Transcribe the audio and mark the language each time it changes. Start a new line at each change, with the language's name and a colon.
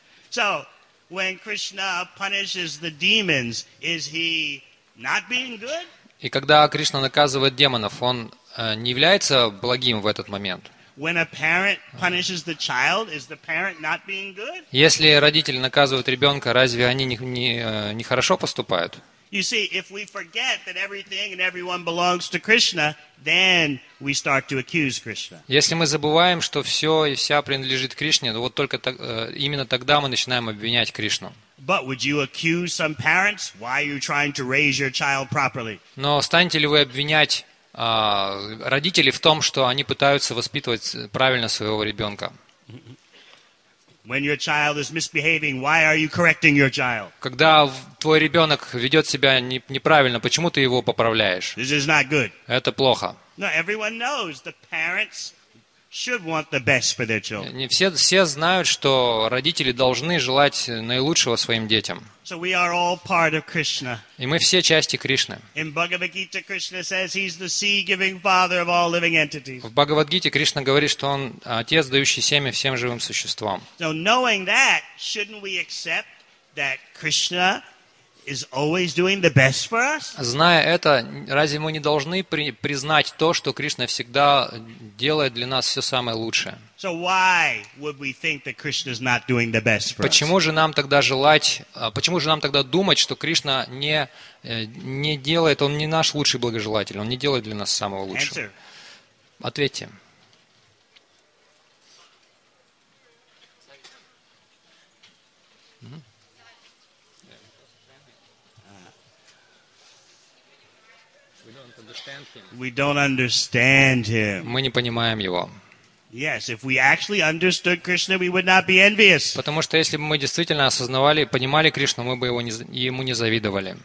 English: So, when Krishna punishes the demons, is he not being good?
Russian: И когда Кришна наказывает демонов, он не является благим в этот момент?
English: When a parent punishes the child, is the parent not being good?
Russian: Если родители наказывают ребенка, разве они не хорошо поступают?
English: You see, if we forget that everything and everyone belongs to Krishna, then we start to accuse Krishna.
Russian: Если мы забываем, что все и вся принадлежит Кришне, вот только именно тогда мы начинаем обвинять Кришну.
English: But would you accuse some parents? Why are you trying to raise your child properly?
Russian: Но станете ли вы обвинять родителей в том, что они пытаются воспитывать правильно своего ребенка?
English: When your child is misbehaving, why are you correcting your child?
Russian: Когда твой ребенок ведет себя неправильно, почему ты его поправляешь?
English: This is not good.
Russian: Это плохо.
English: No, everyone knows the parents should want the best for their children.
Russian: Не все знают, что родители должны желать наилучшего своим детям.
English: So we are all part of Krishna.
Russian: И мы все части Кришны.
English: In Bhagavad Gita, Krishna says he's the seed-giving father of all living entities.
Russian: В Бхагавад Гите Кришна говорит, что он отец, дающий семя всем живым существам.
English: So knowing that, shouldn't we accept that Krishna is always doing the best for us?
Russian: Зная это, разве мы не должны признать то, что Кришна всегда делает для нас все самое лучшее?
English: So why would we think that Krishna is not doing the best for us?
Russian: Почему же нам тогда думать, что Кришна не делает, он не наш лучший благожелатель, он не делает для нас самого лучшего? Ответьте.
English: We don't understand him.
Russian: Мы не понимаем его.
English: Yes, if we actually understood Krishna, we would not be envious.
Russian: Потому что если бы мы действительно осознавали и понимали Кришну, мы бы его не, ему не завидовали.